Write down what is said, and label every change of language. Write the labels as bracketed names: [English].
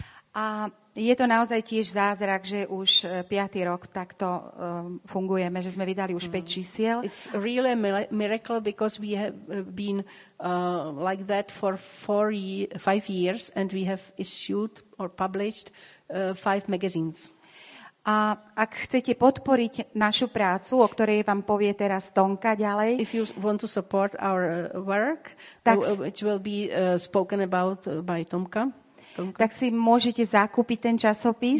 [Slovak] A je to naozaj tiež zázrak, že už 5. rok takto fungujeme, že sme vydali už 5 čísiel. [English] It's really a miracle because we have been like that for 5 years and we have issued or published 5 magazines. [Slovak] A ak chcete podporiť našu prácu, o ktorej vám povie teraz Tonka ďalej. [English] If you want to support our work, which will be spoken about by Tomka. [Slovak] Tak si môžete zakúpiť ten časopis.